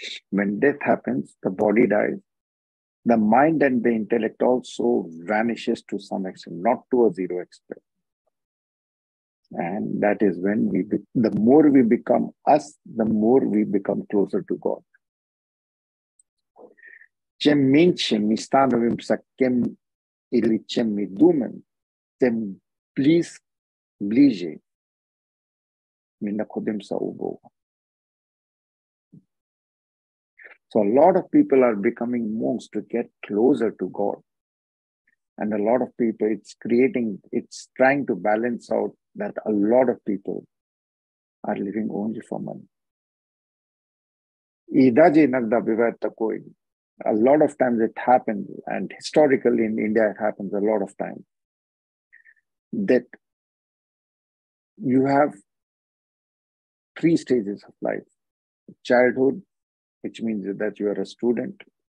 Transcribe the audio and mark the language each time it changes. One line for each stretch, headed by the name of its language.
English: When death happens, the body dies. The mind and the intellect also vanishes to some extent, not to a zero extent. And that is when the more we become us, the more we become closer to God.
Russian: Чем меньше мы становимся кем или чем мы думаем, тем ближе мы находимся у Бога.
English: So a lot of people are becoming monks to get closer to God. And a lot of people, it's trying to balance out that a lot of people are living only for money.
Russian: И даже иногда бывает такое.
English: A lot of times it happens, and historically in India it happens a lot of times, that you have three stages of life. Childhood, which means that you are a student,